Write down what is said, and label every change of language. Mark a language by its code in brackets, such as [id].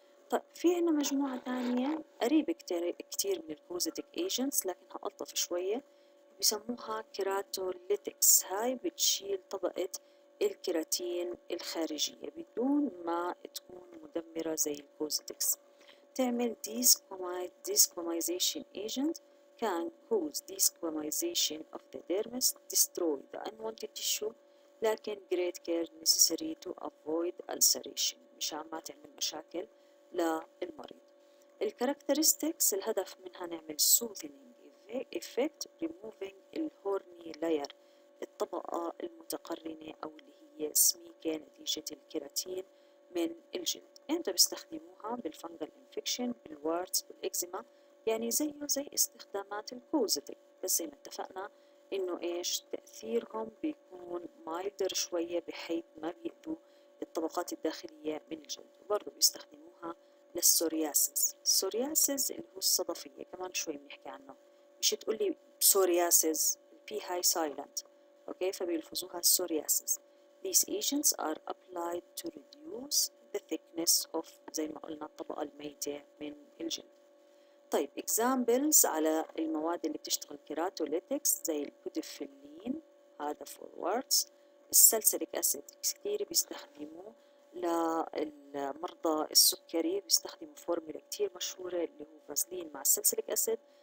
[ar] طيب في عنا مجموعة ثانية قريبة كتير من البوزيتيك ايجنتس لكنها ألطف شوية، بيسموها كيراتوليتكس. هاي بتشيل طبقة الكيراتين الخارجية بدون ما تكون مدمرة زي البوزيتكس. [en] تعمل desquamization agent can cause desquamization of the dermis, destroy the unwanted tissue, لكن great care necessary to avoid ulceration [ar] مشان ما تعمل مشاكل للمريض. الكاركترستيكس الهدف منها نعمل [en] soothing effect removing the horny layer [ar] الطبقة المتقرنة أو اللي هي سميكة نتيجة الكيراتين من الجلد. انت بيستخدموها بالفنجل انفكشن بالوارتس بالإكزيما، يعني زيه زي استخدامات الكوزيتك. بس زي ما اتفقنا انه ايش تأثيرهم بيكون مايلدر شوية بحيث ما بيأذوا الطبقات الداخلية من الجلد. وبرضو بيستخدموها للسورياسيس. السورياسيس اللي هو الصدفية كمان شوي بنحكي عنه، مش تقولي سورياسيس البي هاي سايلنت اوكي، فبيلفظوها السورياسيس. [en] These agents are applied to reduce the thickness of [ar] زي ما قلنا الطبقة الميتة من الجلد. طيب examples على المواد اللي بتشتغل كيراتوليتكس زي البوديفيلين هذا فور ووردز، السلسليك اسيد كثير بيستخدموه للمرضى السكري، بيستخدموا فورمولا كثير مشهوره اللي هو فازلين مع السلسليك اسيد.